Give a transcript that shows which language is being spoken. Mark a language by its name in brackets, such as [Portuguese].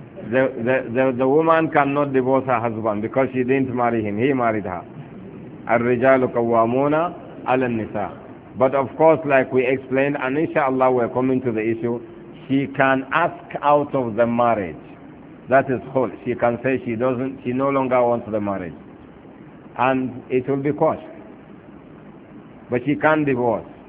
[English] The woman cannot divorce her husband because she didn't marry him. He married her. [Arabic] الرجال قوامون على النساء. [English] But of course, like we explained, and inshallah we're coming to the issue, she can ask out of the marriage. That is khul. She can say she no longer wants the marriage. And it will be quashed. But she can't divorce.